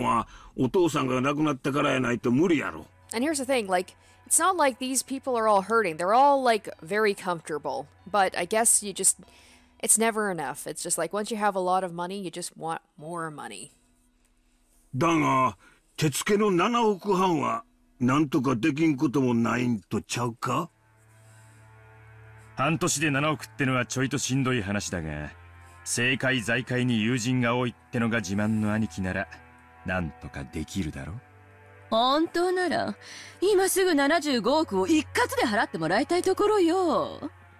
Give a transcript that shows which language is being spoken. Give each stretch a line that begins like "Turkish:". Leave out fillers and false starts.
Japanese: 支払いは来年3月までだ。どや、クラウス兄さん。お父さんの財産を巡る信頼を回復する絶好のチャンスやないか。さすがに75億の大金はお父さんが亡くなったからやないと無理やろ。
English: And here's the thing, like, it's not like these people are all hurting. They're all like very comfortable, but I guess you just, it's never enough. It's just like, once you have a lot of money, you just want more money.
Japanese: だが、手付けの7億半はなんとかできんこともないんとちゃうか?半年で7億ってのはちょいとしんどい話だが、政界財界に友人が多いってのが自慢の兄貴なら、なんとかできるだろ?本当なら、今すぐ75億を一括で払ってもらいたいところよ。